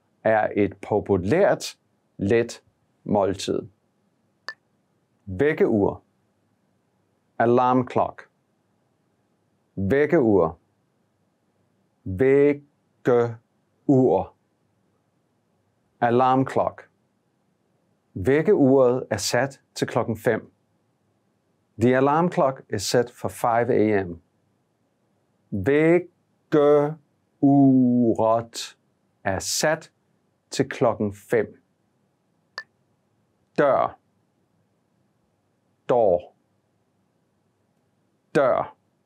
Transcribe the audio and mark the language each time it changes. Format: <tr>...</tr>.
<da>er et populært let måltid. Vækkeur. Alarm clock. Vækkeur. Vækkeur. Alarm clock. Vækkeuret er sat til klokken 5.</da> <en>The alarm clock is set for 5 a.m.</en> <da>Vækkeuret er sat til klokken 5. Dør. Door. Dør.</da>